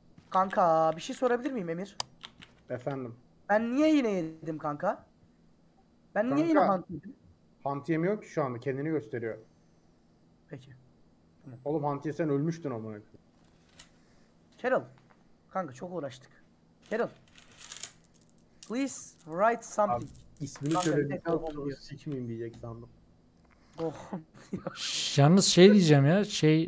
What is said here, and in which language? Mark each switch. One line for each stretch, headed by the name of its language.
Turkish: Kanka bir şey sorabilir miyim Emir? Efendim. Ben niye yine yedim kanka? Ben kanka, niye yine hunt yedim? Hunt yemiyor ki şu anda, kendini gösteriyor. Peki. Oğlum hunt yesen ölmüştün ama. Carol, kanka çok uğraştık.
English: Carol, please write something.
Turkish: Abi, ismini söylediğinde sikmeyeyim diyecek sandım. Oh. Yalnız şey diyeceğim ya, şey...